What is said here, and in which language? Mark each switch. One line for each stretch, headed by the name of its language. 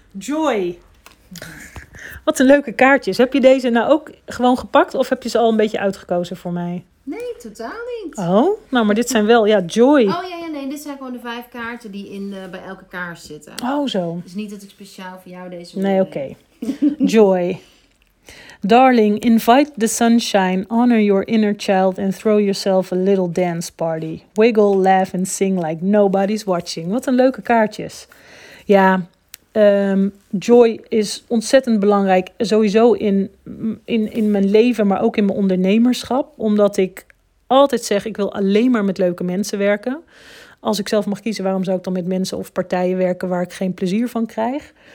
Dutch: Joy. Wat een leuke kaartjes. Heb je deze nou ook gewoon gepakt of heb je ze al een beetje uitgekozen voor mij? Nee, totaal niet. Oh, nou, maar dit zijn wel, ja, Joy. Oh ja, nee, dit zijn gewoon de 5 kaarten die bij elke kaars zitten. Oh, zo. Dus niet dat ik speciaal voor jou deze wil. Nee, oké. Okay. Joy.
English: Darling, invite the sunshine, honor your inner child and throw yourself a little dance party. Wiggle, laugh and sing like nobody's watching.
Dutch: Wat een leuke kaartjes. Ja, joy is ontzettend belangrijk sowieso in mijn leven, maar ook in mijn ondernemerschap. Omdat ik altijd zeg, ik wil alleen maar met leuke mensen werken. Als ik zelf mag kiezen, waarom zou ik dan met mensen of partijen werken waar ik geen plezier van krijg?